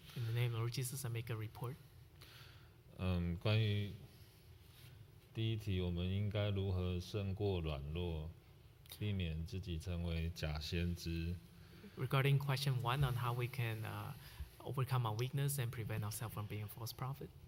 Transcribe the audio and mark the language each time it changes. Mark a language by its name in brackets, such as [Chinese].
[English] In the name of Lord Jesus, I make a report. [Chinese] 关于第一题，我们应该如何胜过软弱，避免自己成为假先知 [English] ？Regarding question one on how we can overcome our weakness and prevent ourselves from being a false prophet.